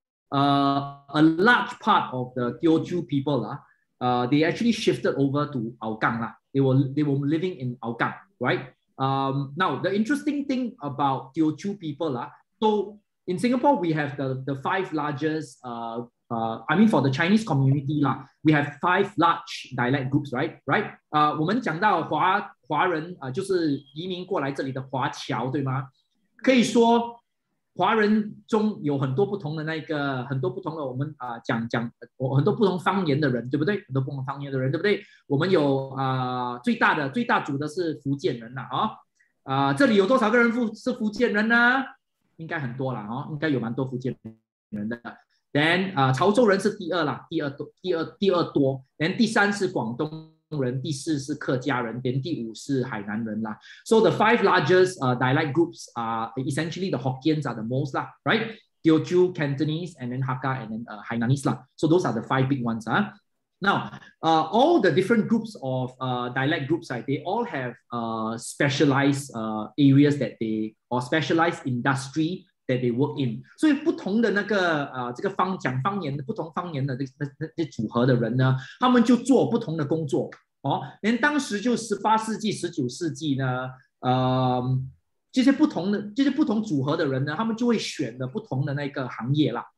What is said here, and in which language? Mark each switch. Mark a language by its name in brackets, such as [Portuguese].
[English] A large part of the Teochew people, they actually shifted over to Hougang. They were living in Hougang, right? Now, the interesting thing about Teochew people, so in Singapore, we have the five largest, for the Chinese community, lah, we have five large dialect groups, right? Right? [Chinese] 我们讲到华人就是移民过来这里的华侨，对吗？可以说，华人中有很多不同的那个，很多不同的我们讲很多不同方言的人，对不对？很多不同方言的人，对不对？我们有最大组的是福建人了啊、哦。这里有多少个人是福建人呢？应该很多了啊、哦，应该有蛮多福建人的。 Then 潮州人是第二啦，第二多。 Then 第三是广东人，第四是客家人，连第五是海南人啦。 [English] So the five largest dialect groups are essentially the Hokkiens are the most lah, right? Teochew, Cantonese, and then Hakka, and then Hainanese lah. So those are the five big ones ah. Now all the different groups of dialect groups right, they all have specialized areas that they or specialized industry. That they work in. [Chinese] 所以不同的那个这个方讲方言的不同方言的这组合的人呢，他们就做不同的工作哦。连当时就十八世纪、十九世纪呢，这些不同组合的人呢，他们就会选的不同的那个行业啦。